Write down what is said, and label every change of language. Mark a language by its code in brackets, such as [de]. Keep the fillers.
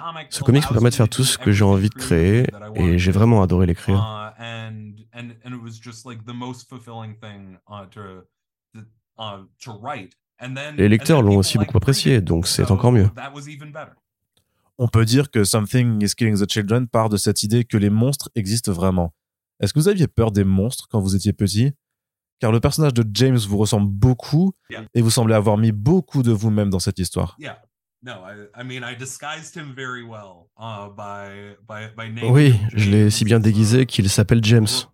[fr] Ce comics me permet de faire tout ce que j'ai envie de créer et j'ai vraiment adoré l'écrire. [en] Uh, and and and it was just like the most fulfilling thing uh, to uh, to write. And then [fr] les lecteurs l'ont aussi beaucoup apprécié, donc c'est encore mieux on peut dire que Something is Killing the Children part de cette idée que les monstres existent vraiment. Est-ce que vous aviez peur des monstres quand vous étiez petit Car le personnage de James vous ressemble beaucoup [en] yeah. [fr] et vous semblez avoir mis beaucoup de vous-même dans cette histoire. [en] Yeah. No, I, I mean, I disguised him very well, uh, by, by, by name [fr] oui, je l'ai si bien déguisé qu'il s'appelle James.